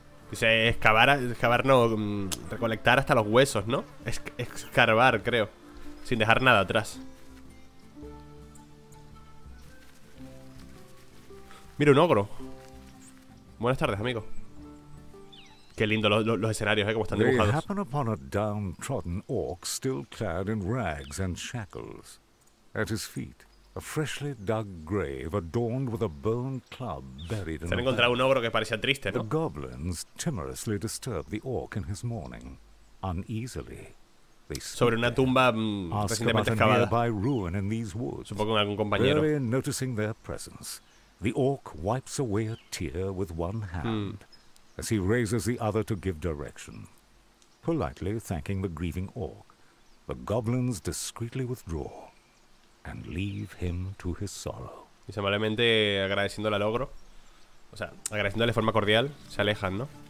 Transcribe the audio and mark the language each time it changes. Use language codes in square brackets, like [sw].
[es] Dice excavar, no, recolectar hasta los huesos, ¿no? Escarbar, creo. Sin dejar nada atrás. Mira, un ogro. Buenas tardes, amigo. Qué lindo los escenarios, ¿eh? Como están dibujados. [en] They happen upon a downtrodden orc still clad in rags and shackles. At his feet, a freshly dug grave adorned with a bone club buried in [es] the... Se ha encontrado un ogro que parecía triste, ¿no? [en] The goblins timorously disturb the orc in his mourning. Uneasily, they speak [es] sobre una tumba recientemente excavada. [en] Ruin in these woods. [es] Supongo con algún compañero. [en] Barely noticing their presence, the orc wipes away a tear with one hand as he raises the other to give direction. Politely thanking the grieving orc, the goblins discreetly withdraw. And leave him to his sorrow. [es] Y amablemente agradeciéndole al ogro, o sea, agradeciéndole de forma cordial, se alejan, ¿no?